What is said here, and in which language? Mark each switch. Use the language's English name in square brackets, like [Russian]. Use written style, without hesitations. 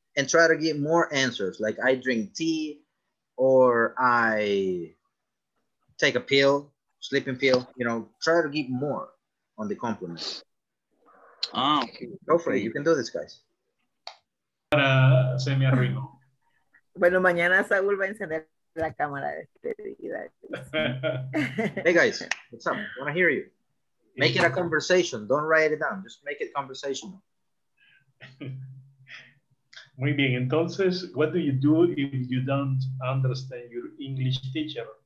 [English] And try to get more answers, like I drink tea, or I take a pill, sleeping pill, you know, try to get more on the compliments. Oh, go for it. You can do this, guys. [Spanish] Para se me arruinó. Bueno, mañana Saúl va a encender la cámara de despedida. [English] Hey, guys, what's up? I want to hear you. Make it a conversation. Don't write it down. Just make it conversational. [Spanish] Muy bien. [English] Entonces, what do you do if you don't understand your English teacher?